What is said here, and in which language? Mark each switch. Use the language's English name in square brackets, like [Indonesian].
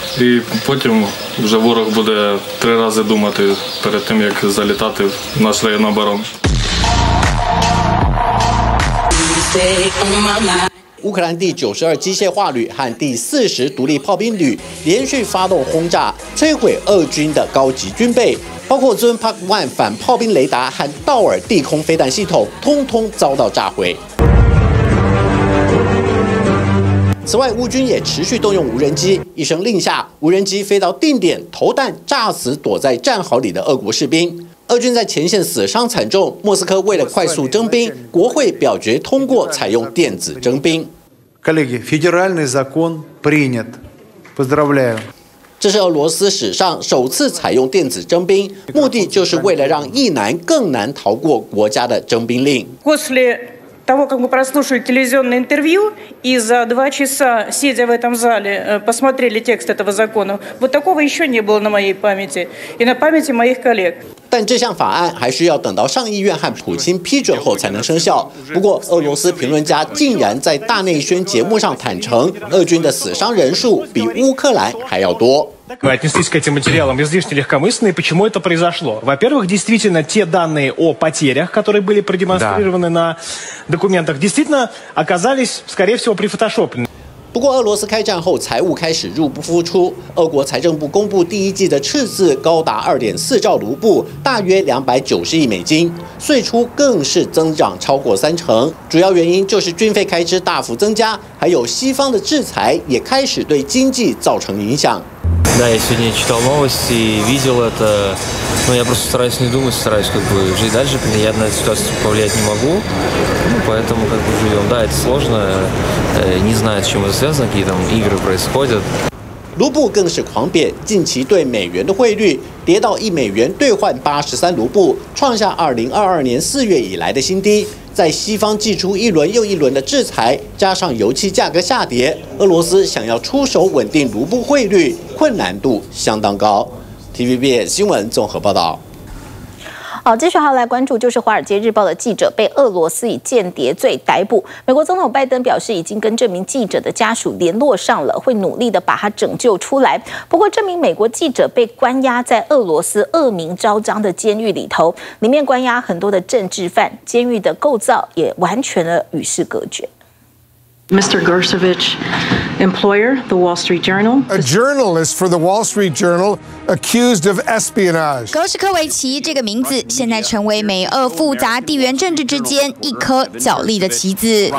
[Ukrainian] І потім вже ворог буде 3 рази думати перед тим, як залітати в наш район оборони. [Chinese] 乌克兰第92机械化旅和第40独立炮兵旅连续发动轰炸，摧毁俄军的高级军备，包括尊 Park 1反炮兵雷达和道尔地空飞弹系统，通通遭到炸毁。此外，乌军也持续动用无人机，一声令下，无人机飞到定点，投弹炸死躲在战壕里的俄国士兵。俄军在前线死伤惨重，莫斯科为了快速征兵，国会表决通过采用电子征兵。 [Russian] Коллеги, федеральный закон принят. Поздравляю. [Chinese] 这是俄罗斯史上首次采用电子征兵，目的就是为了让役男更难逃过国家的征兵令。 [Russian] После того, как мы прослушали телевизионное интервью и за 2 часа, сидя в этом зале, посмотрели текст этого закона, вот такого еще не было на моей памяти и на памяти моих коллег. [Chinese] 但这项法案还需要等到上议院和普京批准后才能生效。不过，俄罗斯评论家竟然在大内宣节目上坦承，俄军的死伤人数比乌克兰还要多。 [Russian] Вы отнеслись к этим материалам излишне легкомысленно, и почему это произошло? Во-первых, действительно, те данные о потерях, которые были продемонстрированы на документах, действительно оказались, скорее всего, прифотошоплены. [Chinese] 不过，俄罗斯开战后财务开始入不敷出，俄国财政部公布第一季的赤字高达2.4兆卢布，大约290亿美金，税出更是增长超过三成。主要原因就是军费开支大幅增加，还有西方的制裁也开始对经济造成影响。 [Russian] Да, я сегодня читал новости и видел это, но я просто стараюсь не думать, стараюсь как бы жить дальше, я на ситуацию повлиять не могу, поэтому как бы живем. Да, это сложно, не знаю, с чем это связано, какие там игры происходят. [Chinese] 卢布更是狂贬，近期对美元的汇率跌到1美元兑换83卢布，创下2022年4月以来的新低。在西方祭出一轮又一轮的制裁，加上油气价格下跌，俄罗斯想要出手稳定卢布汇率，困难度相当高。 TVBS 新闻综合报道。好，接下来来关注，就是《华尔街日报》的记者被俄罗斯以间谍罪逮捕。美国总统拜登表示，已经跟这名记者的家属联络上了，会努力的把他拯救出来。不过，这名美国记者被关押在俄罗斯恶名昭彰的监狱里头，里面关押很多的政治犯，监狱的构造也完全的与世隔绝。 [English] Mr. Gersovich, employer, The Wall Street Journal. A journalist for The Wall Street Journal accused of espionage. [Chinese] 格什科维奇这个名字现在成为美俄复杂地缘政治之间一颗角力的棋子。